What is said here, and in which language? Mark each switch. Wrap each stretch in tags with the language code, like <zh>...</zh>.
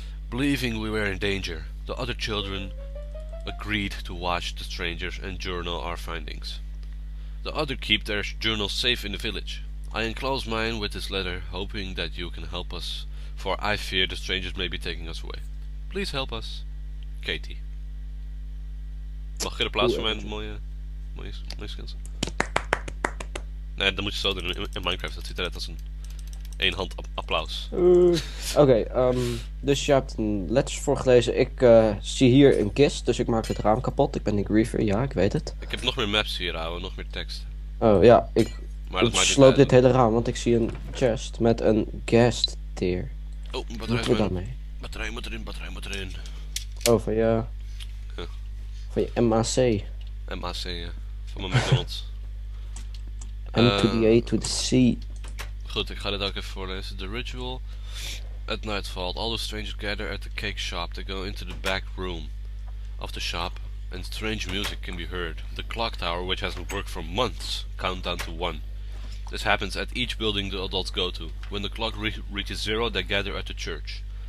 <en>Believing we were in danger, the other children agreed to watch the strangers and journal our findings. The other keep their journals safe in the village. I enclose mine with this letter, hoping that you can help us, for I fear the strangers may be taking us away. Please help us, Katie.</en> <nl>Mag ik een applaus voor mijn mooie skins? Nee, dat moet je zo doen in Minecraft. Dat ziet eruit als een eenhand applaus. Oké, dus je hebt een letters voorgelezen. Ik zie hier een kist, dus ik maak het raam kapot. Ik ben een griever, ja, ik weet het. Ik heb nog meer maps hier, ouwe, nog meer tekst. Oh ja, ik sloop dit hele raam, want ik zie een chest met een ghast tier. Oh, een batterij. Wat doe je daarmee? Batterij moet erin. Oh, van je. Van je MAC. MAC, ja. Van mijn McDonald's.</nl> <en>M to the A to the C.</en> <nl>Goed, ik ga dit ook even voorlezen.</nl> <en>The ritual. At nightfall, all the strangers gather at the cake shop. They go into the back room of the shop, and strange music can be heard. The clock tower, which hasn't worked for months, count down to 1. This happens at each building the adults go to. When the clock reaches zero, they gather at the church.</en>